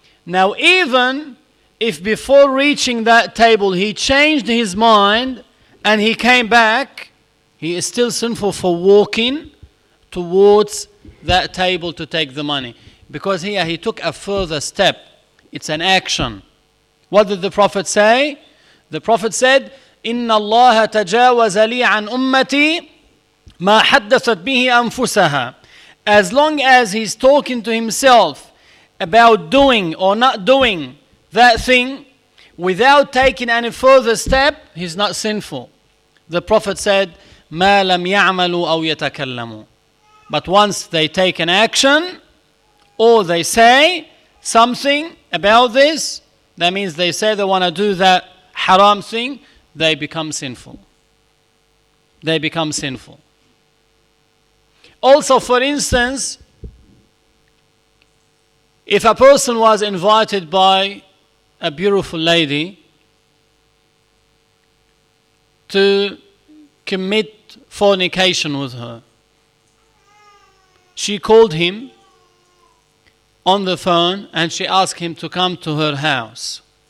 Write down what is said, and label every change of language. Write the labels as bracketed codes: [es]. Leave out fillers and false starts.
[en] Now, even if before reaching that table he changed his mind and he came back, he is still sinful for walking towards that table to take the money. Because here he took a further step. It's an action. What did the Prophet say? The Prophet said, [ar] إِنَّ اللَّهَ تَجَاوَزَ لِي عَنْ أُمَّتِي مَا حَدَّثَتْ بِهِ أَنفُسَهَا. [en] As long as he's talking to himself about doing or not doing that thing without taking any further step, he's not sinful. The Prophet said, [ar] مَا لَمْ يَعْمَلُوا أَوْ يَتَكَلَّمُوا. [en] But once they take an action or they say something about this, that means they say they want to do that haram thing, they become sinful. They become sinful. Also, for instance, if a person was invited by a beautiful lady to commit fornication with her, she called him on the phone and she asked him to come to her house.